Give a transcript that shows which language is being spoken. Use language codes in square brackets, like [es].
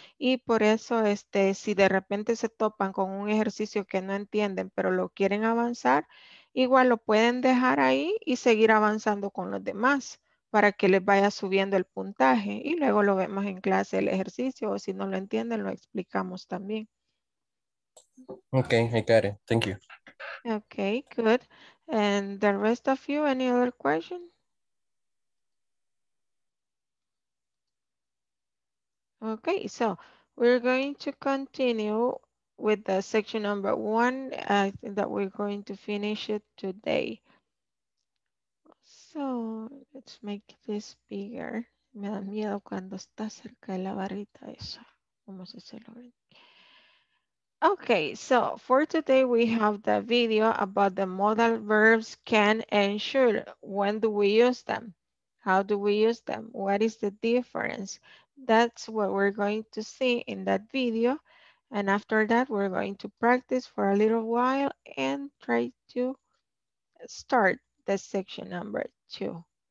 [es] Y por eso, si de repente se topan con un ejercicio que no entienden, pero lo quieren avanzar, igual lo pueden dejar ahí y seguir avanzando con los demás para que les vaya subiendo el puntaje. Y luego lo vemos en clase el ejercicio. O si no lo entienden, lo explicamos también. [en] Okay, I got it. Thank you. Okay, good. And the rest of you, any other question? Okay, so we're going to continue with the section number one. I think that we're going to finish it today. So let's make this bigger. [es] Me da miedo cuando está cerca de la barrita esa. ¿Cómo se celebra? [en] Okay, so for today we have the video about the modal verbs can and should. When do we use them? How do we use them? What is the difference? That's what we're going to see in that video. And after that, we're going to practice for a little while and try to start the section number two.